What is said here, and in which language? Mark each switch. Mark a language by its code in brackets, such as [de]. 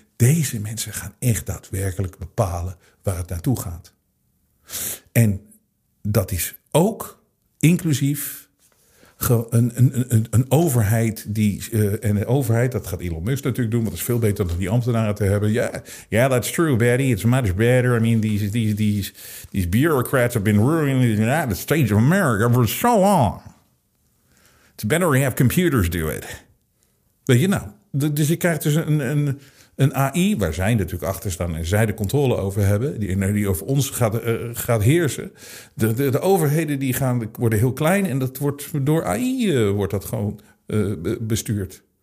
[nl] Deze mensen gaan echt daadwerkelijk bepalen waar het naartoe gaat. En dat is ook inclusief een overheid die en de overheid, dat gaat Elon Musk natuurlijk doen, want dat is veel beter dan die ambtenaren te hebben. [en] Ja, yeah, that's true, Betty. It's much better. I mean, these bureaucrats have been ruining the United States of America for so long. It's better we have computers do it. [nl] Weet je nou? Dus je krijgt dus een AI, waar zij natuurlijk achter staan en zij de controle over hebben, die over ons gaat heersen. De overheden die gaan worden heel klein en dat wordt door AI wordt dat gewoon bestuurd.